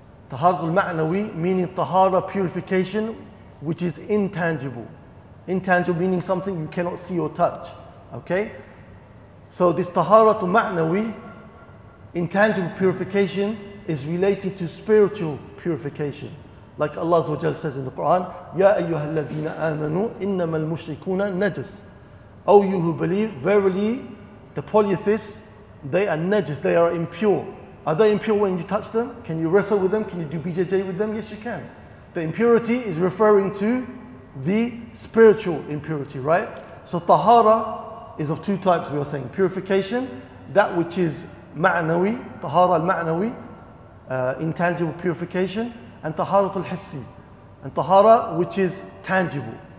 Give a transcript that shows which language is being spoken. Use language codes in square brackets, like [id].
[en] Tahara al-Ma'nawi, meaning Tahara purification, which is intangible. Intangible meaning something you cannot see or touch. Okay? So this Tahara al-Ma'nawi, intangible purification, is related to spiritual purification. Like Allah says in the Quran, [ar] يَا أَيُّهَا الَّذِينَ آمَنُوا إِنَّمَا الْمُشْرِكُونَ نَجَسْ. [en] O you who believe, verily, the polytheists, they are najis, they are impure. Are they impure when you touch them? Can you wrestle with them? Can you do BJJ with them? Yes, you can. The impurity is referring to the spiritual impurity, right? So tahara is of two types, we are saying. Purification, that which is ma'nawi, tahara al-ma'nawi, intangible purification, and tahara al-hissi, and tahara which is tangible.